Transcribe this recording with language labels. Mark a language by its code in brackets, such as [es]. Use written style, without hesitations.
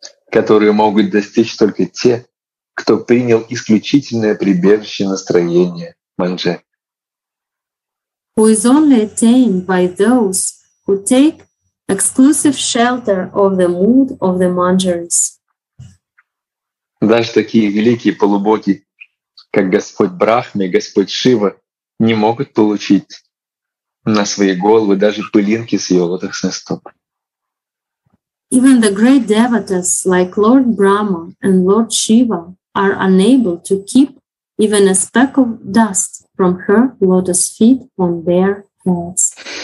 [ru] Которые могут достичь только те, кто принял исключительное прибежище настроения манже. [en] Who is only attained by those who take exclusive shelter of the mood of the manjaris. [ru] Даже такие великие полубоги, как Господь Брахма и Господь Шива, не могут получить на свои головы даже пылинки с его лотосных стоп. [en] Even the great devotees like Lord Brahma and Lord Shiva are unable to keep even a speck of dust from her lotus feet on their heads.